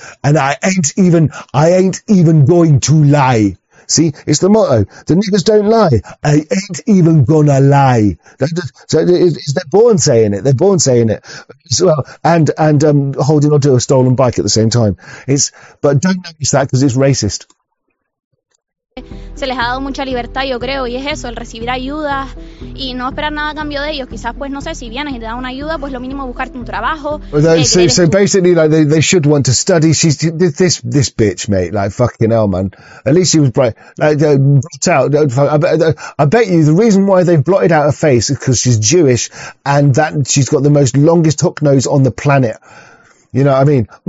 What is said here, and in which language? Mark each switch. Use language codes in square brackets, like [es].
[en] And I ain't even going to lie. See, it's the motto. The niggas don't lie. I ain't even gonna lie. They're born saying it. So holding onto a stolen bike at the same time. But don't notice that because it's racist. [es] Se les ha dado mucha libertad, yo creo, y es eso, el recibir ayuda y no esperar nada a cambio de ellos. Quizás, pues, no sé, si vienes y te dan una ayuda, pues lo mínimo buscarte un trabajo. [en] So basically, like, they should want to study. She's this bitch, mate, like, fucking hell, man. At least she was bright. Like, brought out. I bet you the reason why they've blotted out her face is because she's Jewish and that she's got the most longest hook nose on the planet. You know what I mean?